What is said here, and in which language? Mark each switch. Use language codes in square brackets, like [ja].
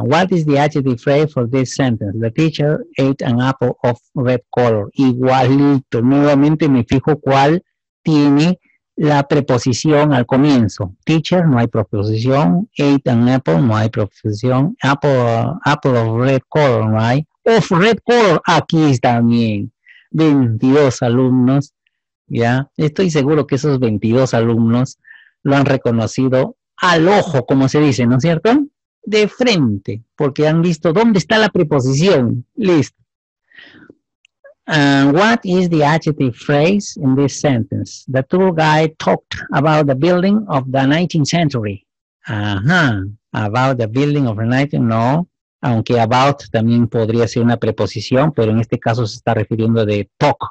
[en] What is the adjective phrase for this sentence? The teacher ate an apple of red color. [es] Igualito. Nuevamente me fijo cuál tiene la preposición al comienzo. Teacher, no hay preposición. Ate an apple, no hay preposición. Apple of red color, no hay. Of red color, aquí también. 22 alumnos. Ya, estoy seguro que esos 22 alumnos lo han reconocido al ojo, como se dice, ¿no es cierto? De frente, porque han visto dónde está la preposición. Listo. [en] What is the adjective phrase in this sentence? The tour guide talked about the building of the 19th century. Ajá, about the building of the 19th, no. [es] Aunque about también podría ser una preposición, pero en este caso se está refiriendo de talk.